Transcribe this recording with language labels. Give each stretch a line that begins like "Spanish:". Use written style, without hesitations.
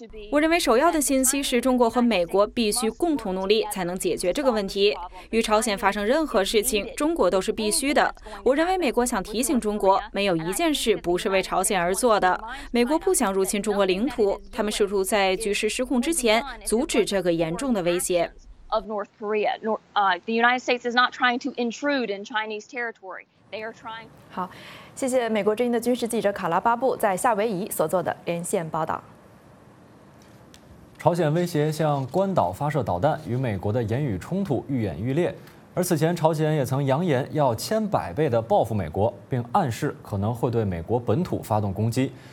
Chinese: 我认为首要的信息是中国和美国必须共同努力才能解决这个问题。与朝鲜发生任何事情，中国都是必须的。我认为美国想提醒中国，没有一件事不是为朝鲜而做的。美国不想入侵中国领土，他们试图在局势失控之前阻止这个严重的威胁。
English: Of North Korea. The United States is not trying to intrude in Chinese territory. They are trying.
Chinese: 好，谢谢美国之音的军事记者卡拉巴布在夏威夷所做的连线报道。朝鲜威胁向关岛发射导弹，与美国的言语冲突愈演愈烈。而此前，朝鲜也曾扬言要千百倍的报复美国，并暗示可能会对美国本土发动攻击。